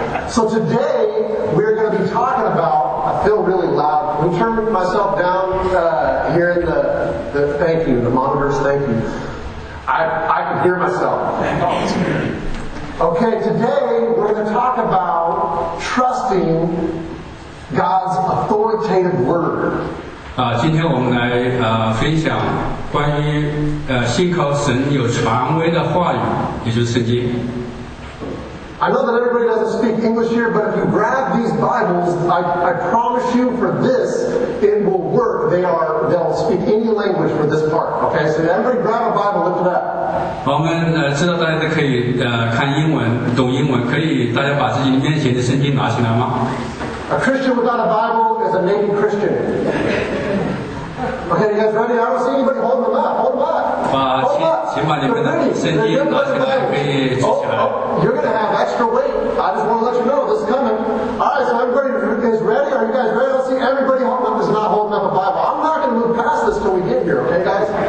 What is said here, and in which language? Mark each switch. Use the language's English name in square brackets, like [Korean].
[English] So today, we're going to be talking about, I feel really loud, we turn myself down here in the thank you, the monitors, thank you. I can hear myself. Okay, today we're going to talk about trusting God's authoritative word. [Chinese] 今天我们来分享关于信靠神有权威的话语，也就是圣经。 [English] I know that everybody doesn't speak English here, but if you grab these Bibles, I promise you for this, it will work. They'll speak any language for this part. Okay, so everybody grab a Bible, lift it up. [Chinese] 我们知道大家都可以看英文，懂英文，可以大家把自己面前的圣经拿起来吗？ [English] A Christian without a Bible is a naked Christian. Okay, you guys ready? I don't see anybody holding the map. Hold the map. Hold the map. You're going to have extra weight. I just want to let you know this is coming. All right, so everybody is ready. Are you guys ready? I don't see everybody holding up is not holding up a Bible. I'm not going to move past this till we get here, okay, guys?